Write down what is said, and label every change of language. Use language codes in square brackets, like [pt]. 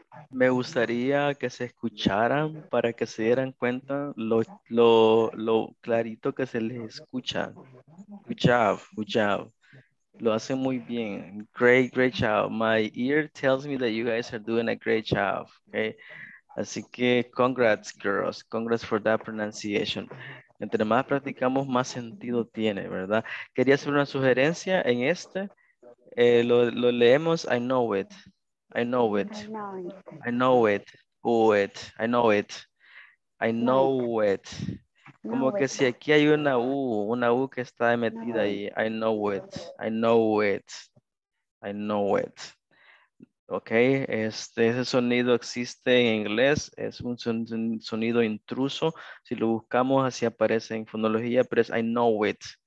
[es] Me gustaría que se escucharan para que se dieran cuenta lo clarito que se les escucha. [en] Good job, good job. [es] Lo hacen muy bien. [en] Great, great job. My ear tells me that you guys are doing a great job. Okay. [es] Así que [en] congrats, girls. Congrats for that pronunciation. [es] Entre más practicamos, más sentido tiene, ¿verdad? Quería hacer una sugerencia en este. Lo leemos, [en] I know it. I know it. I know it. I know it. I know it. I know it. [es] Como que si aquí hay una U que está metida ahí. [en] I know it. I know it. [es] I know it. Ok, ese sonido existe en inglés, es un sonido intruso. Si lo buscamos, así aparece en fonología, pero es [en] I know it.